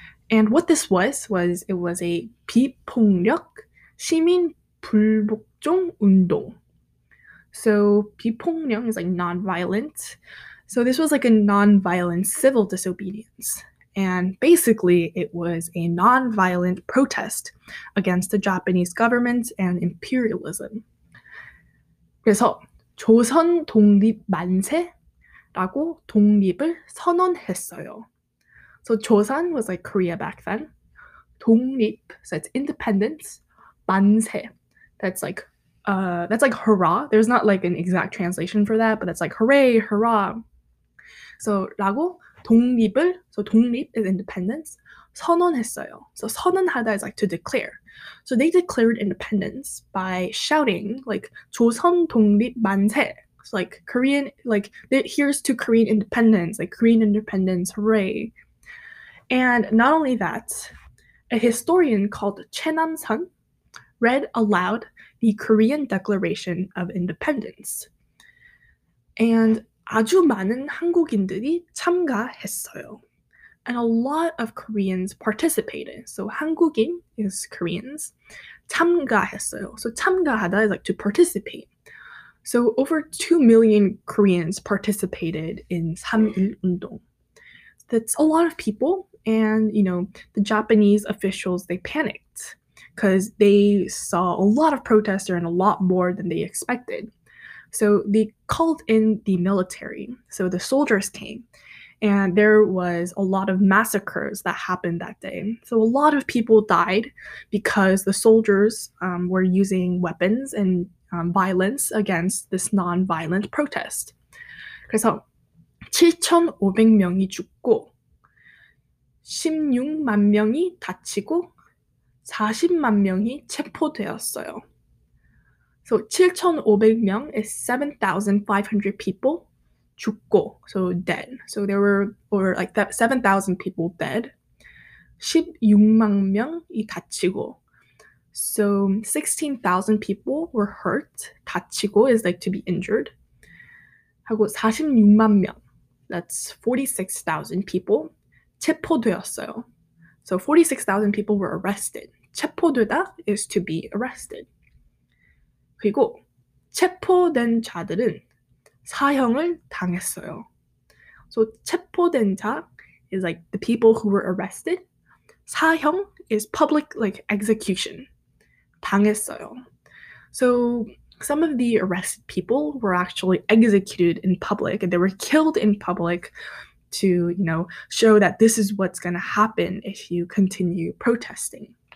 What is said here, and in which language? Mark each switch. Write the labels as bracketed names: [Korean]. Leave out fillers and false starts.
[English] And what this was it was a [Korean] 비폭력 시민 불복종 운동. [English] So 비폭력 is like non-violent. So this was like a non-violent civil disobedience. And basically, it was a non-violent protest against the Japanese government and imperialism. [Korean] 그래서 조선 독립 만세라고 독립을 선언했어요. [English] So 조선 was like Korea back then. 독립, so it's independence. 만세, that's like hurrah. There's not like an exact translation for that, but that's like hooray, hurrah. So [Korean] 라고 독립을, [English] so 독립 is independence. [Korean] 선언했어요. [English] So 선언하다 is like to declare. So they declared independence by shouting like [Korean] 조선 독립 만세. [English] So like Korean, like here's to Korean independence, like Korean independence, hooray. And not only that, a historian called Choi Nam-sun read aloud the Korean Declaration of Independence. [Korean] And 아주 많은 한국인들이 참가했어요. [English] And a lot of Koreans participated. So 한국인 is Koreans. 참가했어요. So 참가하다 is like to participate. So over 2 million Koreans participated in 3.1 운동. That's a lot of people. And, you know, the Japanese officials, they panicked because they saw a lot of protesters and a lot more than they expected. So they called in the military. So the soldiers came and there was a lot of massacres that happened that day. So a lot of people died because the soldiers were using weapons and violence against this non-violent protest. [Korean] 그래서 7,500명이 죽고 16만 명이 다치고 40만 명이 체포되었어요. [English] So 7,500명 is 7,500 people 죽고, so dead. So there were or like that 7,000 people dead. [Korean] 16만 명이 다치고. [English] So 16,000 people were hurt. 다치고 is like to be injured. [Korean] 하고 46만 명. [English] That's 46,000 people. 체포되었어요. So 46,000 people were arrested. 체포되다 is to be arrested. [Korean] 그리고 체포된 자들은 사형을 당했어요. [English] So 체포된 자 is like the people who were arrested. 사형 is public like execution. 당했어요. So some of the arrested people were actually executed in public and they were killed in public to, you know, show that this is what's going to happen if you continue protesting.